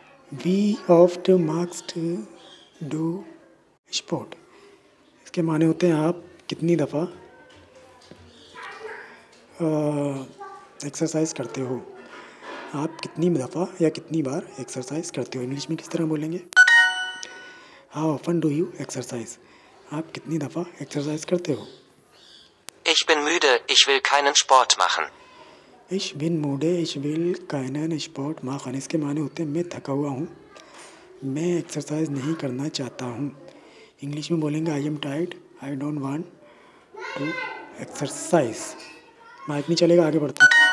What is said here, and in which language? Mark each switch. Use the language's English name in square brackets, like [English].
[German] Wie oft machst du Sport? [Hindi] इसके माने होते हैं आप कितनी दफ़ा एक्सरसाइज करते हो? आप कितनी दफ़ा या कितनी बार एक्सरसाइज करते हो? इंग्लिश में किस तरह बोलेंगे? [English] How often do you exercise? [Hindi] आप कितनी दफ़ा एक्सरसाइज करते हो? [German] Ich bin müde, ich will keinen Sport machen. Ich bin müde, ich will keinen Sport machen. [Hindi] इसके माने होते हैं मैं थका हुआ हूँ, मैं एक्सरसाइज नहीं करना चाहता हूँ। इंग्लिश में बोलेंगे [English] I am tired, I don't want to exercise. [Hindi] Mic नहीं चलेगा, आगे बढ़ते।